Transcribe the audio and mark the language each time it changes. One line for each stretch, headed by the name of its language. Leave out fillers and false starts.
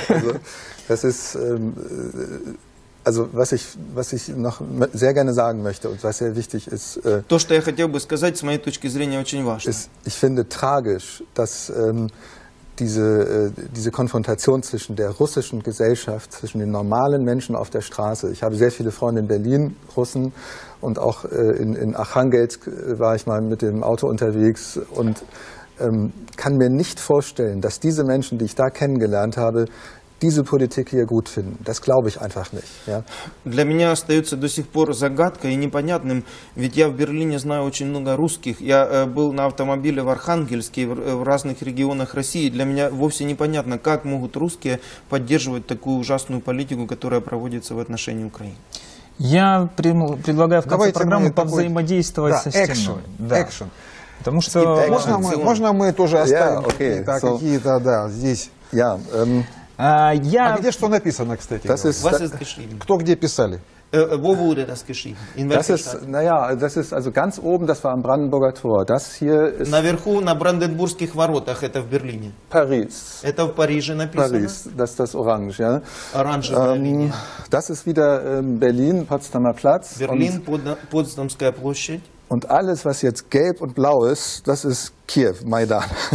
German: Also, das ist, also was ich noch sehr gerne sagen möchte und was sehr wichtig ist.
Russian: То, что я хотел бы сказать, с моей точки зрения, очень важно.
German: Ist, ich finde tragisch, dass diese Konfrontation zwischen der russischen Gesellschaft, zwischen den normalen Menschen auf der Straße. Ich habe sehr viele Freunde in Berlin, Russen, und auch in Archangelsk war ich mal mit dem Auto unterwegs und kann mir nicht vorstellen, dass diese Menschen, die ich da kennengelernt habe, diese Politik hier gut finden. Das glaube ich einfach nicht. Ja?
Russian: Для меня остается до сих пор загадкой и непонятным, ведь я в Берлине знаю очень много русских. Я был на автомобиле в Архангельске, в разных регионах России. Для меня вовсе непонятно, как могут русские поддерживать такую ужасную политику, которая проводится в отношении Украины. Я предлагаю в конце Давайте программы повзаимодействовать такой... со стеной.
English: Action.
Russian: Да. Action. Потому что... можно мы тоже оставим какие-то, да, здесь... А где что написано, кстати?
German: Was ist geschrieben?
Russian: Кто где писали?
German: Wo wurde das geschrieben? Das ist, naja, das ist also ganz oben, das war am Brandenburger Tor. Das hier ist...
Russian: Наверху, на Бранденбургских воротах, это в Берлине.
German: Paris.
Russian: Это в Париже написано?
German: Paris, das ist das Orange, ja. Orange Berlin. Das ist wieder Berlin, Potsdamer Platz.
Russian: Berlin, Potsdamская площадь.
German: Und alles, was jetzt gelb und blau ist, das ist Kiew, Maidan.